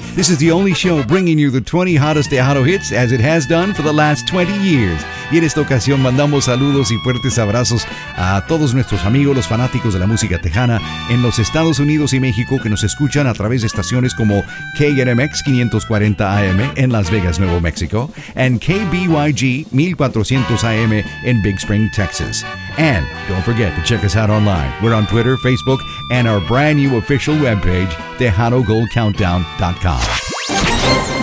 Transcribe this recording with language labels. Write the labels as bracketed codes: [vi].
[en] This is the only show bringing you the 20 hottest Tejano hits as it has done for the last 20 years. [es] Y en esta ocasión mandamos saludos y fuertes abrazos a todos nuestros amigos, los fanáticos de la música tejana en los Estados Unidos y México que nos escuchan a través de estaciones como KNMX 540 AM en Las Vegas, Nuevo México, [en] and KBYG 1400 AM in Big Spring, Texas. And don't forget to check us out online. We're on Twitter, Facebook, and our brand new official webpage, TejanoGoldCountdown.com.